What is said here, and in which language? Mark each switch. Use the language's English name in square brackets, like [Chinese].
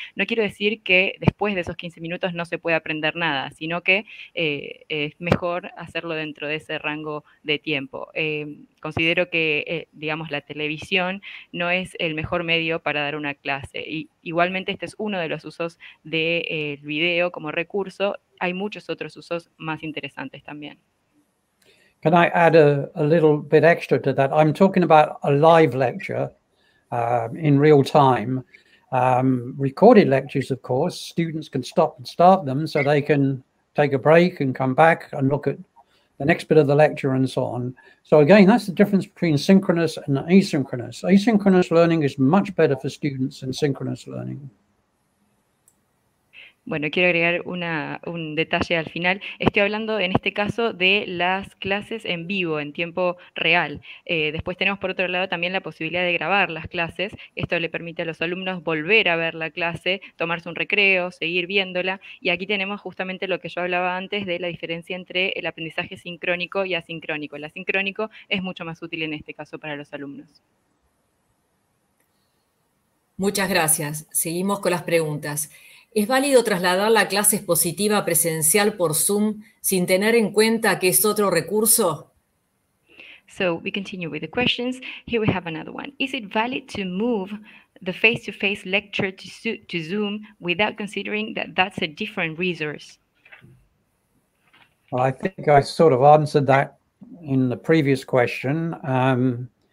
[Spanish] No quiero decir que después de esos 15 minutos no se pueda aprender nada, sino que es mejor hacerlo dentro de ese rango de tiempo. Considero que, digamos, la televisión no es el mejor medio para dar una clase. Y igualmente, este es uno de los usos del video como recurso. Hay muchos otros usos más interesantes también. [English] Can I add a little bit extra to that? I'm talking about a live lecture in real time. Recorded lectures, of course, students can stop and start them so they can take a break and come back and look at the next bit of the lecture and so on. So again, that's the difference between synchronous and asynchronous. Asynchronous learning is much better for students than synchronous learning. [Spanish] Bueno, quiero agregar un detalle al final. Estoy hablando en este caso de las clases en vivo, en tiempo real. Después tenemos por otro lado también la posibilidad de grabar las clases. Esto le permite a los alumnos volver a ver la clase, tomarse un recreo, seguir viéndola. Y aquí tenemos justamente lo que yo hablaba antes de la diferencia entre el aprendizaje sincrónico y asincrónico. El asincrónico es mucho más útil en este caso para los alumnos. Muchas gracias. Seguimos con las preguntas. ¿Es válido trasladar la clase expositiva presencial por Zoom sin tener en cuenta que es otro recurso? [English] So, we continue with the questions. Here we have another one. Is it valid to move the face-to-face lecture to Zoom without considering that that's a different resource? Well, I think I sort of answered that in the previous question.